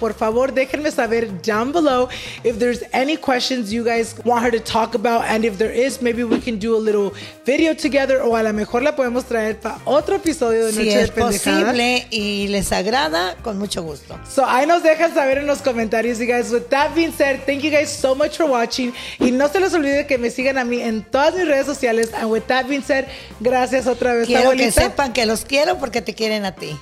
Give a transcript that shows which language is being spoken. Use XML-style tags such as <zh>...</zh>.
<es>Por favor, déjenme saber</es> <en>down below if there's any questions you guys want her to talk about. And if there is, maybe we can do a little video together.</en> <es>O a lo mejor la podemos traer para otro episodio de Noche de Pendejadas. Si es posible y les agrada, con mucho gusto. So, ahí nos dejan saber en los comentarios,</es> <en>you guys. With that being said, thank you guys so much for watching.</en> <es>Y no se les olvide que me sigan a mí en todas mis redes sociales.</es> <en>And with that being said,</en> <es>gracias otra vez, quiero, abuelita. Quiero que sepan que los quiero porque te quieren a ti.</es>